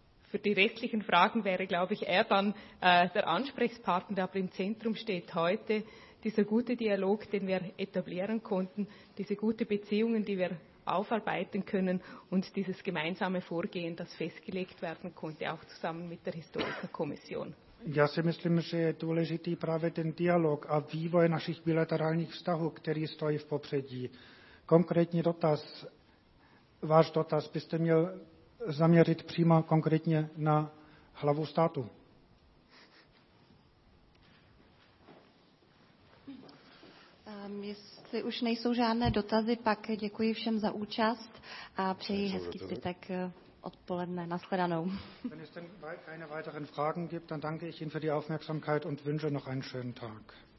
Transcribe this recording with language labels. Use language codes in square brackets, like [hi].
[de] Für die restlichen Fragen wäre, glaube ich, er dann der Ansprechpartner, der aber im Zentrum steht heute. Dieser gute Dialog, den wir etablieren konnten, diese gute Beziehungen, die wir aufarbeiten können und dieses gemeinsame Vorgehen, das festgelegt werden konnte, auch zusammen mit der Historikerkommission. [cs] Já si myslím, že je důležitý právě ten dialog a vývoj našich bilaterálních vztahů, který stojí v popředí. Konkrétní dotaz, váš dotaz, byste měl zaměřit přímo konkrétně na hlavu státu. Jestli už nejsou žádné dotazy, pak děkuji všem za účast a přeji hezký zbytek odpoledne. Naschledanou. [de] Wenn es denn keine weiteren Fragen gibt, dann danke ich Ihnen für die Aufmerksamkeit und wünsche noch einen schönen Tag.